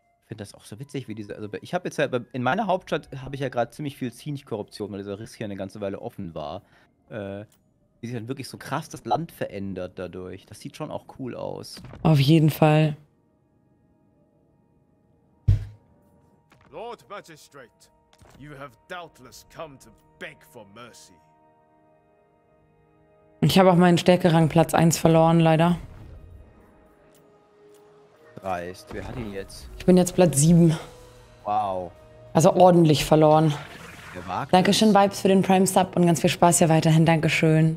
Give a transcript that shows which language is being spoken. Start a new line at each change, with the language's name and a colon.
German: finde das auch so witzig, wie diese. Also ich habe jetzt ja, in meiner Hauptstadt habe ich ja gerade ziemlich viel Zinich-Korruption, weil dieser Riss hier eine ganze Weile offen war. Wie sich dann wirklich so krass das Land verändert dadurch. Das sieht schon auch cool aus. Auf jeden Fall.
English: Lord Magistrate, you have doubtless come to beg for mercy.
German: Ich habe auch meinen Stärkerang Platz 1 verloren, leider. Dreist, wer hat ihn jetzt? Ich bin jetzt Platz 7. Wow. Also ordentlich verloren. Wer wagt Dankeschön, das? Vibes, für den Prime Sub und ganz viel Spaß hier weiterhin. Dankeschön.